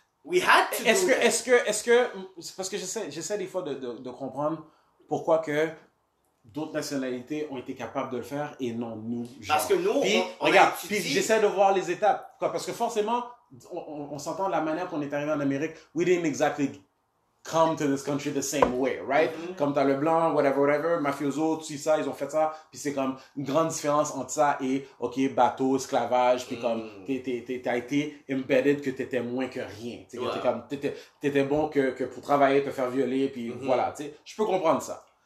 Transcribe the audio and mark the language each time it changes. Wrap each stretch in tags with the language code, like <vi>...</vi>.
<en>We had to</en> <fr>est-ce</fr> <en>do</en> <fr>que, est-ce que, est-ce que... Parce que j'essaie des fois de comprendre pourquoi que d'autres nationalités ont été capables de le faire et non nous, genre. Parce que nous, puis, on regarde, puis j'essaie de voir les étapes. Quoi, parce que forcément, on s'entend la manière qu'on est arrivé en Amérique.</fr> <en>We didn't exactly come to this country the same way, right? Mm-hmm.</en> <fr>Comme t'as le blanc, whatever, mafioso, tu sais ça, ils ont fait ça, puis c'est comme une grande différence entre ça et, ok, bateau, esclavage, puis comme, t'as été embedded que t'étais moins que rien, t'sais, que t'es comme, t'étais bon que pour travailler, te faire violer, puis voilà, tu sais, je peux comprendre ça.</fr>